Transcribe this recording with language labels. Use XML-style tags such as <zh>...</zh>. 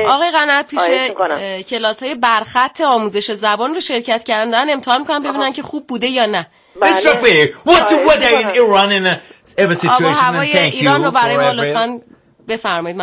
<fa>آقای قنات پیش کلاس های برخط آموزش زبان رو شرکت کردن. امتحان میکنم ببینن که خوب بوده یا نه.</fa> <en>Miss Rafiee, what's the weather in Iran in every situation?</en> <fa>آب و هوای ایران رو برای ما لطفاً بفرمایید.</fa>